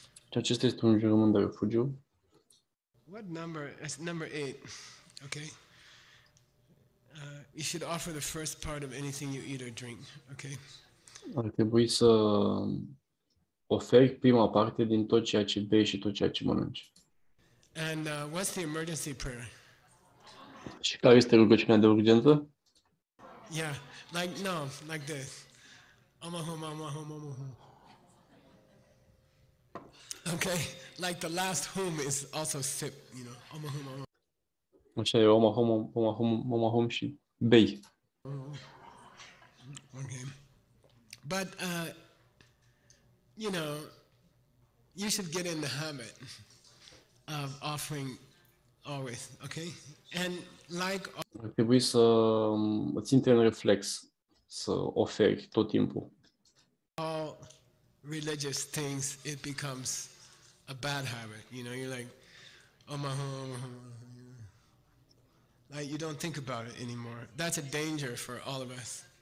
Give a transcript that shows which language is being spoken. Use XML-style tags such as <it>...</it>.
<ro>Acesta este un jurământ de refugiu.</ro> <en>What number? It's number 8. Okay. You should offer the first part of anything you eat or drink. Okay.</en> <ro>Ar trebui să oferi prima parte din tot ceea ce bei și tot ceea ce mănânci.</ro> <en>And what's the emergency prayer?</en> <ro>Și care este rugăciunea de urgență?</ro> <en>Yeah, like no, like this. Omahum, omahum, omahum. Okay, like the last hum is also sip, you know. Omahum, omahum.</en> <ro>Așa e, omahum, omahum, omahum și bei.</ro> <en>Okay. But you know, you should get in the habit of offering always, okay? And like</en> <ro>trebuie să îți intre în reflex să oferi tot timpul.</ro> <en>All religious things, it becomes a bad habit. You know, you're like, oh my, oh my. Like, you don't think about it anymore. That's a danger for all of us.</en>